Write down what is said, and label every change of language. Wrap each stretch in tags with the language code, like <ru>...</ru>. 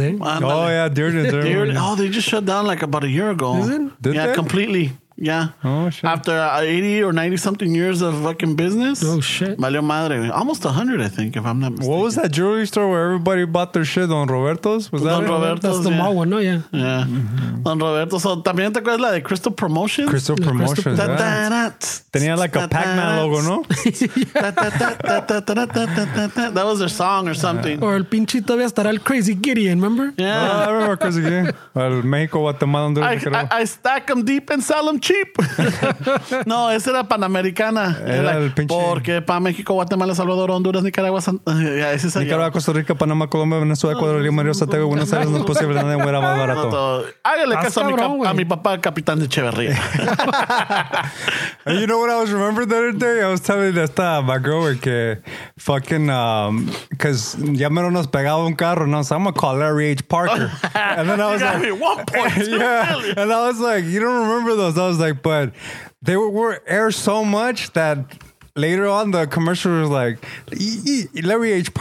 <en>Oh, yeah, Dirdens. Oh, they just shut down like about a year ago. Is it? Did they? Completely. Yeah. Oh, shit. After 80 or 90 something years of fucking business. Oh, shit. Valió madre. Almost 100, I think, if I'm not mistaken. What was that jewelry store where everybody bought their shit? Don Roberto's? Was Don that Don Roberto's? That's the mall one, no? Yeah. Yeah. Mm-hmm. Don Roberto's.</en> <es>So, también te acuerdas la de Crystal Promotions? Crystal Promotions. Tenía like a Pac-Man logo, no?</es> <en>That was their song or something.</en> <es>Or el pinche todavía estará el Crazy Gideon, remember?</es> <en>Yeah. I remember Crazy Gideon. El México, Guatemala, Honduras. I stack them deep and sell them cheap.</en> <es>No, esa era Panamericana. Era like, el pinche. Porque para México, Guatemala, Salvador, Honduras, Nicaragua, Nicaragua, Costa Rica, Panamá, Colombia, Venezuela, Ecuador, Río, Mario, Santiago, Buenos Aires, no es posible, nada de más barato. No, hágale caso cabrón, a mi papá, Capitán de Echeverría.</es> <en>And you know what I was remembering the other day? I was telling that my girl, que fucking, because ya me nos pegaba un carro, no, so I'm going to call Larry H. Parker. And then I was you like, me 1.2 yeah, and I was like, you don't remember those. I was like, but they were air so much that later on the commercial was like, Larry H.</en>